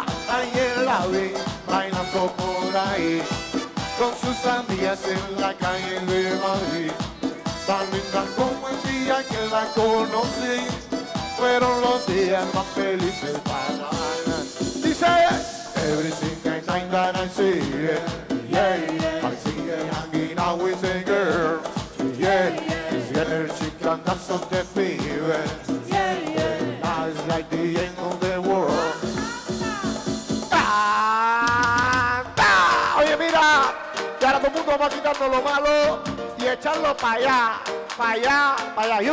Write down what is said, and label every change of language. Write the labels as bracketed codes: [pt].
[es] Ayer la vi bailando por ahí, con sus amigas en la calle de Madrid, tan linda como el día en que la conocí, fueron los días más felices para mí. Dice [en] everything I think that I see, yeah, yeah. I see her hanging out with a girl, yeah, yeah. This girl, she can dance on the fever, yeah, yeah. Now it's like the end of the world. [es] ¡Canta! Oye, mira, que ahora todo el mundo va a quitar lo malo y echarlo para allá, para allá, para allá.